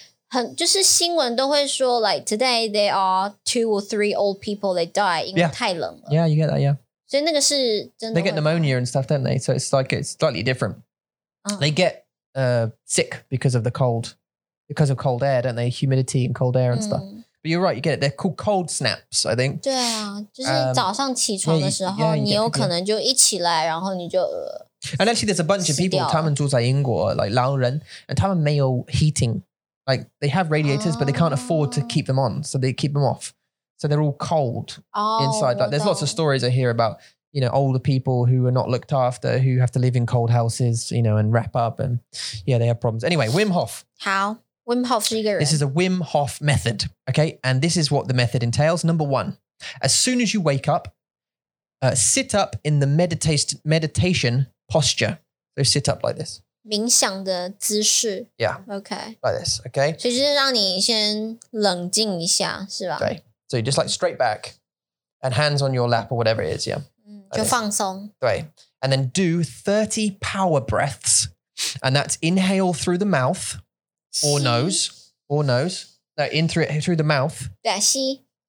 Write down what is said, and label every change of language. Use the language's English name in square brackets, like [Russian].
[Chinese] 很就是新闻都会说 [English] like today there are two or three old people that die [Chinese] 因为太冷了。 [English] Yeah, you get that, yeah. [Chinese] 所以那个是真的。 [English] They get pneumonia and stuff, don't they? So it's like it's slightly different. They get sick because of the cold, because of cold air, don't they? Humidity and cold air and stuff. But you're right, you get it. They're called cold snaps, I think. [Chinese] 对啊，就是早上起床的时候，你有可能就一起来，然后你就。 [English] And actually, there's a bunch of people. [Chinese] 他们住在英国, [English] like 老人, and [Chinese] 他们没有 [English] heating. Like they have radiators, but they can't afford to keep them on, so they keep them off. So they're all cold inside. Like there's lots of stories I hear about, you know, older people who are not looked after, who have to live in cold houses, you know, and wrap up, and yeah, they have problems. Anyway, Wim Hof. [Chinese] How? Wim Hof 是一个人. [English] This is a Wim Hof method, okay? And this is what the method entails. Number one, as soon as you wake up, sit up in the meditation posture. So sit up like this. [Chinese] 冥想的姿势. [English] Yeah. Okay. Like this, okay? [Chinese] 所以就是让你先冷静一下,是吧? [English] Okay. So you just like straight back and hands on your lap or whatever it is, yeah. [Chinese] 就放松. [English] Right. And then do 30 power breaths, and that's inhale through the mouth. Or nose. Or nose. No, in through it, through the mouth. [Chinese] 对,吸.